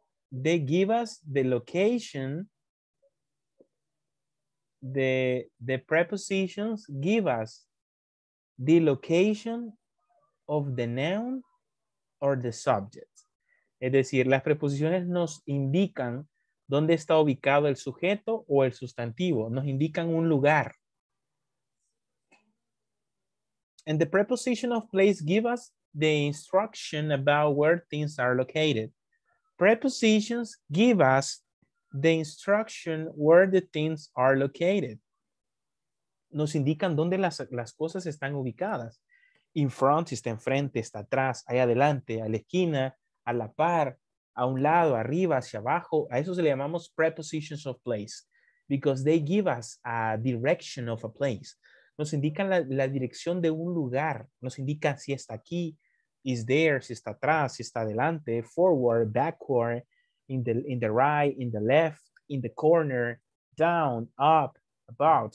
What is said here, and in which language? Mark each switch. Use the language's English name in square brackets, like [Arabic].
[English] They give us the location. The prepositions give us the location of the noun or the subject. [Spanish] Es decir, las preposiciones nos indican dónde está ubicado el sujeto o el sustantivo. Nos indican un lugar. [English] And the preposition of place give us the instruction about where things are located. Prepositions give us the instruction where the things are located. [Spanish] Nos indican dónde las cosas están ubicadas. [English] In front, [Spanish] está enfrente, está atrás, ahí adelante, a la esquina, a la par, a un lado, arriba, hacia abajo. A eso se le llamamos prepositions of place. [English] Because they give us a direction of a place. [Spanish] Nos indican la dirección de un lugar. Nos indican si está aquí, [English] is there, [Spanish] si está atrás, si está adelante, [English] forward, backward, in the right, in the left, in the corner, down, up, about.